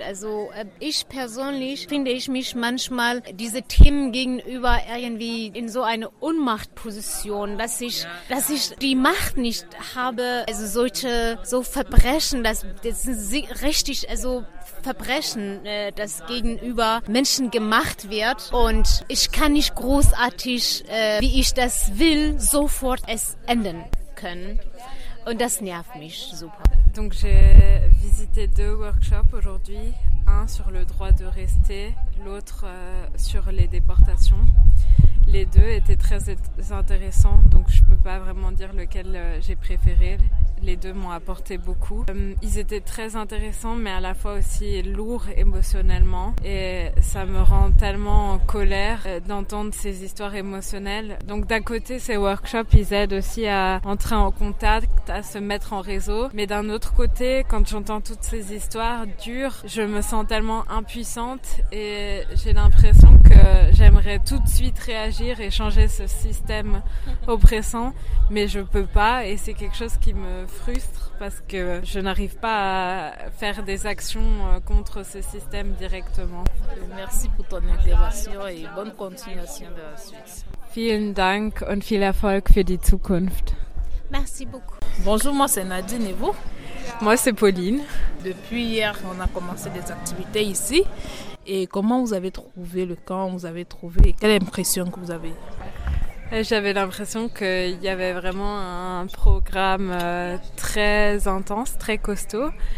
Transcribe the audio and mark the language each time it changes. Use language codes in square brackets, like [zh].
[de] Also ich persönlich finde ich mich manchmal diese Themen gegenüber irgendwie in so eine Ohnmachtposition, dass ich die Macht nicht habe, also solche so Verbrechen, das sind richtig, also Verbrechen, das gegenüber Menschen gemacht wird. Und ich kann nicht großartig, wie ich das will, sofort es enden können. Und das nervt mich super. [fr] Donc j'ai visité deux workshops aujourd'hui, un sur le droit de rester, l'autre sur les déportations. Les deux étaient très intéressants, donc je peux pas vraiment dire lequel j'ai préféré. Les deux m'ont apporté beaucoup. Ils étaient très intéressants, mais à la fois aussi lourds émotionnellement. Et ça me rend tellement en colère d'entendre ces histoires émotionnelles. Donc d'un côté, ces workshops, ils aident aussi à entrer en contact, à se mettre en réseau. Mais d'un autre côté, quand j'entends toutes ces histoires dures, je me sens tellement impuissante et j'ai l'impression que j'aimerais tout de suite réagir et changer ce système oppressant. Mais je peux pas et c'est quelque chose qui me frustre parce que je n'arrive pas à faire des actions contre ce système directement. Merci pour ton intervention et bonne continuation de la suite. [de] Vielen Dank und viel Erfolg für die Zukunft. [fr] Merci beaucoup. Bonjour, moi c'est Nadine et vous? Moi c'est Pauline. Depuis hier, on a commencé des activités ici. Et comment vous avez trouvé le camp? Vous avez trouvé quelle impression que vous avez? J'avais l'impression qu'il y avait vraiment un programme très intense, très costaud.